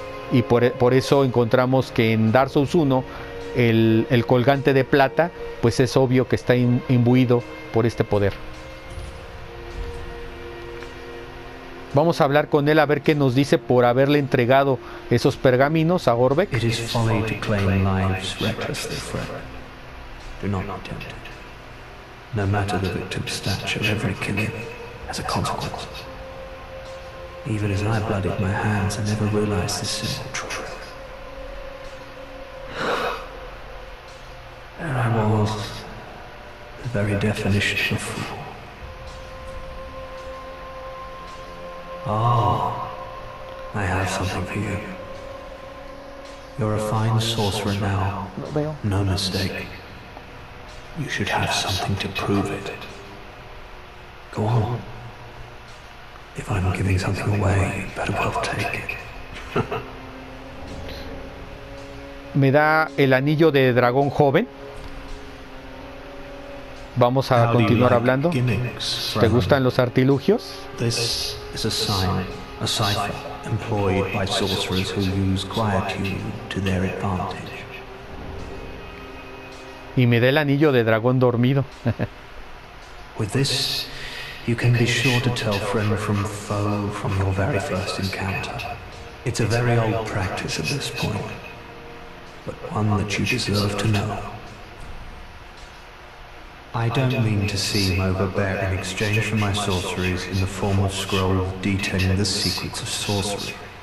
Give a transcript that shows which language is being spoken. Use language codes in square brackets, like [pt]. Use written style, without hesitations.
[es] Y por eso encontramos que en Dark Souls 1 el colgante de plata, pues es obvio que está imbuido por este poder. Vamos a hablar con él a ver qué nos dice por haberle entregado esos pergaminos a Orbeck. [en] It is folly to claim lives recklessly, friend. Do not attempt it. No matter the victim's stature, every killing has a consequence. Even as I bloodied my hands, I never realized this simple truth. There I was, the very definition of fool. Ah, I have something for you. You're a fine sorcerer now, no mistake. You should have something to prove it. Go on. If I'm giving something away, you better well take it. [es] Me da el anillo de dragón joven. Vamos a continuar hablando. ¿Te gustan los artilugios? [en] This is a sign, a cipher employed by sorcerers who use quietude to their advantage. [es] Y me da el anillo de dragón dormido. [en] With this, you can be sure to tell friend from foe from your very first encounter. It's a very old practice at this point, but one that you deserve to know. I don't mean to seem overbearing in exchange for my sorceries in the form of scroll detailing the secrets of sorcery.